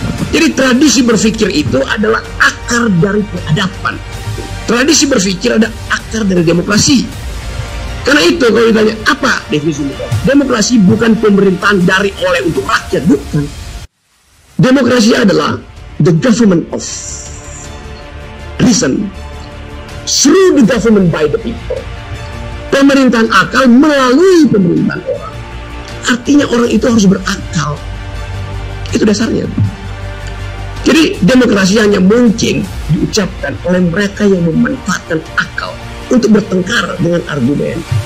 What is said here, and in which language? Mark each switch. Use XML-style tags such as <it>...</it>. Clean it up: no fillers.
<id>Jadi tradisi berpikir itu adalah akar dari peradaban. Tradisi berpikir ada akar dari demokrasi. Karena itu kalau ditanya apa definisi demokrasi, bukan pemerintahan dari oleh untuk rakyat, bukan.</id> <en>Demokrasi adalah the government of reason through the government by the people.</en> <id>Pemerintahan akal melalui pemerintahan orang. Artinya orang itu harus berakal. Itu dasarnya. Jadi demokrasi hanya mungkin diucapkan oleh mereka yang memanfaatkan akal untuk bertengkar dengan argumen.</id>